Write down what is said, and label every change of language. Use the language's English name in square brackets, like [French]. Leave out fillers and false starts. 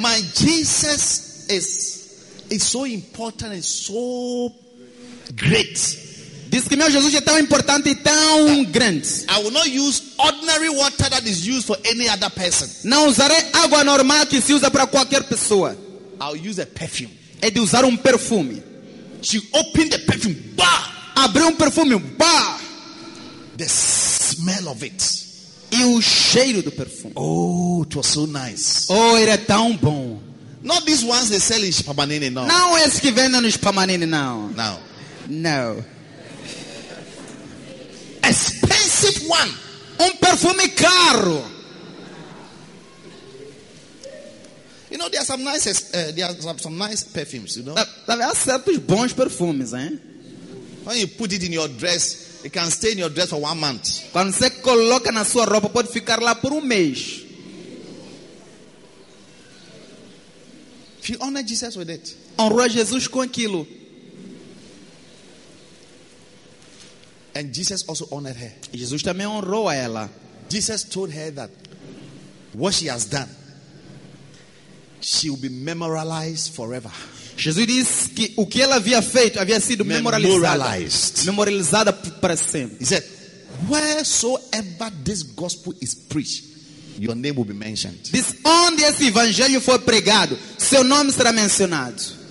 [English] my Jesus is so important and so great. [Portuguese] Diz que meu Jesus é tão importante e tão grande. [English] I will not use ordinary water that is used for any other person. [Portuguese] Não usarei água normal que se usa para qualquer pessoa. [English] I'll use a perfume. [Portuguese] É de usar perfume. [English] She opened the perfume. Bah! [Portuguese] Abriu perfume. Bah! [English] The smell of it. [Portuguese] E o cheiro do perfume. [English] Oh, it was so nice. [Portuguese] Oh, era tão bom. [English] Not these ones they sell in Shpamanini, no. [Portuguese] Não esse que vende no Shpamanini, não. [English] No. No. Expensive one. [Portuguese] Perfume caro. [English] You know, there are some nice perfumes, you know. [Portuguese] Há certos bons perfumes, hein? [English] When you put it in your dress, it can stay in your dress for 1 month. [Portuguese] Quando você coloca na sua roupa, pode ficar lá por mês. [English] If you honor Jesus with it. [Portuguese] Honra Jesus com aquilo. [English] And Jesus also honored her. [Portuguese] Jesus também honrou a ela. [English] Jesus told her that what she has done, she will be memorialized forever. [Portuguese] Jesus disse que o que ela havia feito havia sido [English] memorialized [Portuguese] para sempre. [English] He said, wheresoever this gospel is preached, your name will be mentioned. [Portuguese] Diz, onde esse evangelho for pregado, seu nome será mencionado.